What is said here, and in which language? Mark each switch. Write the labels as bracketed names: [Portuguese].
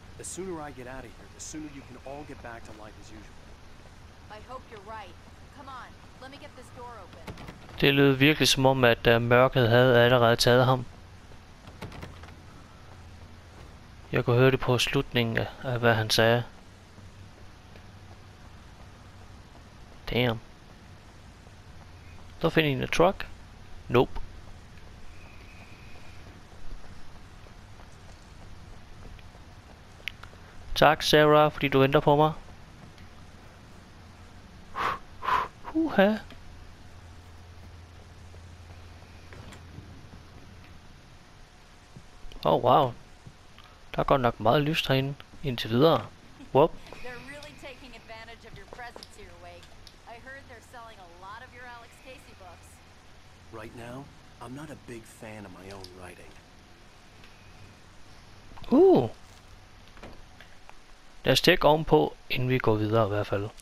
[English] The sooner I get out of here, the sooner you can all get back to life as usual. I hope you're right. Come on, let me get this door open. [Danish] Det lød virkelig som om, at mørket havde allerede taget ham. Jeg kunne høre det på slutningen af hvad han sagde. Damn. Så finder en truck. Nope. Tak, Sarah, fordi du venter på mig. Huha. [English] Oh, wow. [Danish] Der er godt nok meget lys herinde indtil videre. Whoop. [English] They're really taking advantage of your presence here, Wake. I heard they're selling a lot of your Alex Casey books. Right now, I'm not a big fan of my own writing. Ooh. [Danish] Lad os tjekke ovenpå, inden vi går videre i hvert fald.